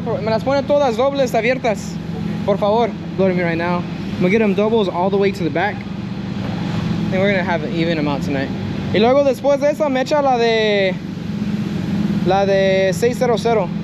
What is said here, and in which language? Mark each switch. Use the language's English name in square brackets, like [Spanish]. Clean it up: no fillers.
[Spanish] Me las pone todas dobles abiertas, por favor. [English] Loading me right now. I'm gonna get them doubles all the way to the back. And we're gonna have an even amount tonight. [Spanish] Y luego después de esa, me echa la de 600.